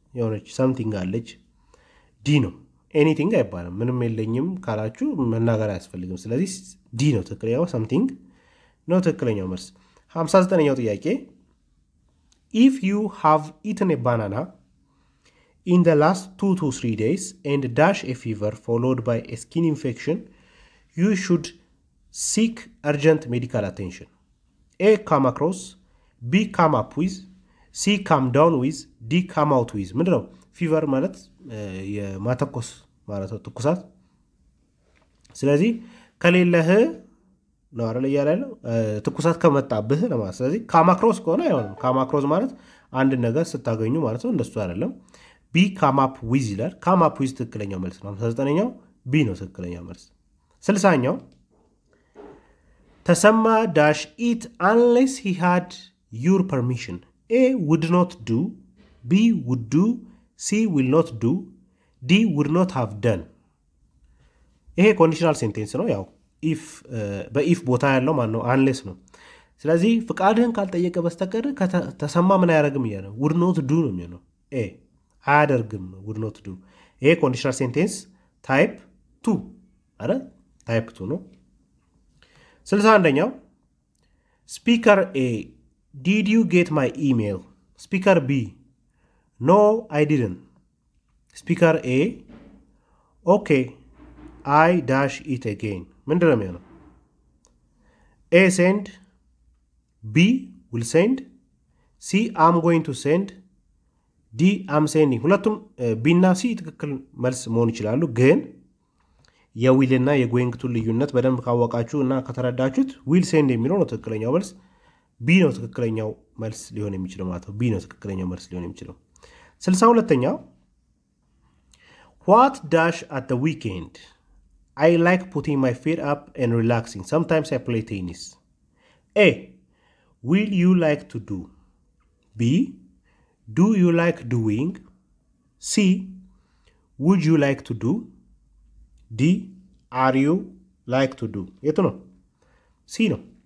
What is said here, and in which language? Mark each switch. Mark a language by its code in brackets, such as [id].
[am] የሆነች something አለች d ነው። anything አይባልም ምንም የለኝም ካላችሁ መናገር አያስፈልግም። ስለዚህ d ነው ትክክለኛው something ነው ትክክለኛው መልስ። 59ኛው ጥያቄ [en] if you have eaten a banana in the last 2 to 3 days and dash a fever followed by a skin infection you should seek urgent medical attention. A come across, B come up with, C come down with, D come out with. [am] ምንድን ነው ፊቨር ማለት? የማተኮስ ማለት ነው ትኩሳት። ስለዚህ ከሌለህ ነው አይደል ያለው ትኩሳት ከመጣብህ ለማለት። ስለዚህ come across ከሆነ አይሆንም። come across ማለት አንድ ነገር ስታገኙ ማለት ነው እንደሱ አይደለም። B come up with ይላል። come up with ትክክለኛው መልስ ነው። 59ኛው B ነው ትክክለኛው መልስ። 60ኛው [en] Tasama dash eat unless he had your permission. A would not do, B would do, C will not do, D would not have done. [am] ይህ conditional sentence ነው ያው if በif ቦታ ያለው ማን ነው unless ነው። ስለዚህ ፍቃድህን ካልጠየቀ በስተቀር ከተሰማ ምን ያደርግም ይያለው would not do ነው የሚሆነው። A አያደርግም would not do። ይህ conditional sentence type 2 አረ type 2 ነው። 61ኛው [en] speaker A did you get my email? speaker B no I didn't. speaker A okay I dash it again. [am] ምንድነው የሚሆነው? [en] A send, B will send, C I'm going to send, D I'm sending. [am] ሁለቱም B እና C ትክክል መልስ መሆን ይችላሉ ግን የዊል እና የጎይንግ ቱ ልዩነት በደንብ ካወቃችሁ እና ከተረዳችሁት ዊል ሴንድ የሚለው ነው ትክክለኛው መልስ። ቢ ነው ትክክለኛው መልስ ሊሆን የሚችለው ማለት ነው። ቢ ነው ትክክለኛው መልስ ሊሆን የሚችለው። 62ኛው [en] what dash at the weekend I like putting my feet up and relaxing sometimes I play tennis. A will you like to do, B do you like doing, C would you like to do? D, are you like to do? [am] Yetu no? C no?